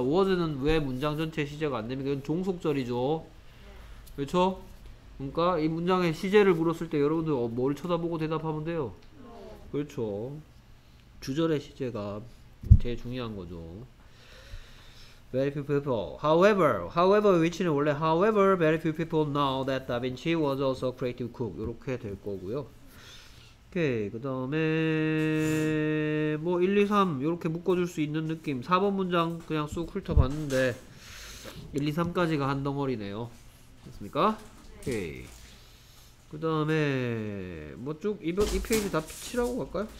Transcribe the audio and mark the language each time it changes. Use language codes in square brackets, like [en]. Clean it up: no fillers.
[ko] was는 왜 문장 전체 시제가 안 됩니까? 이건 종속절이죠. 그렇죠? 그러니까 이 문장에 시제를 물었을 때 여러분들 뭘 쳐다보고 대답하면 돼요. 그렇죠. 주절의 시제가 제일 중요한 거죠. [en] Very few people. However, which는 원래 however very few people know that Da Vinci was also a creative cook. [ko] 이렇게 될 거고요. 오케이, 그 다음에 뭐 1, 2, 3 이렇게 묶어줄 수 있는 느낌. 4번 문장 그냥 쑥 훑어봤는데 1, 2, 3까지가 한 덩어리네요. 됐습니까? 오케이, 그 다음에 뭐 쭉 이 페이지 다 칠하고 갈까요?